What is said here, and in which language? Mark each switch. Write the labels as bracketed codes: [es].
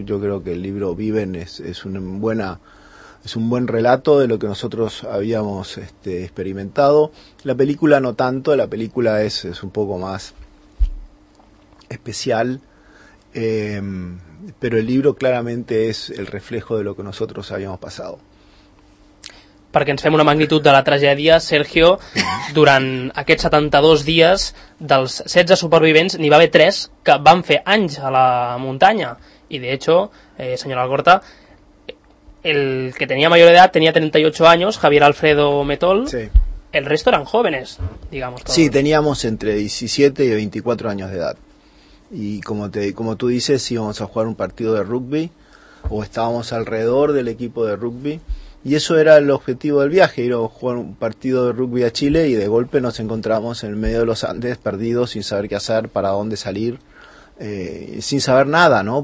[es] Yo creo que el libro Viven es un buen relato de lo que nosotros habíamos experimentado. La película no tanto, la película es un poco más especial. Pero el libro claramente es el reflejo de lo que nosotros habíamos pasado. [ca] Para que ens fem una magnitud de la tragèdia, Sergio, durant aquests 72 dies, dels 16 supervivents, n'hi va haver 3 que van fer anys a la muntanya. I, [es] de hecho, [ca] senyora Algorta, el que tenia major edat tenia 38 anys, Javier Alfredo Metol. [es] Sí. El resto eran jóvenes, digamos. Todos. Sí, teníamos entre 17 y 24 años de edat. Y como tú dices, íbamos a jugar un partido de rugby o estábamos alrededor del equipo de rugby, y eso era el objetivo del viaje, ir a jugar un partido de rugby a Chile, y de golpe nos encontramos en el medio de los Andes perdidos, sin saber qué hacer, para dónde salir, sin saber nada, ¿no?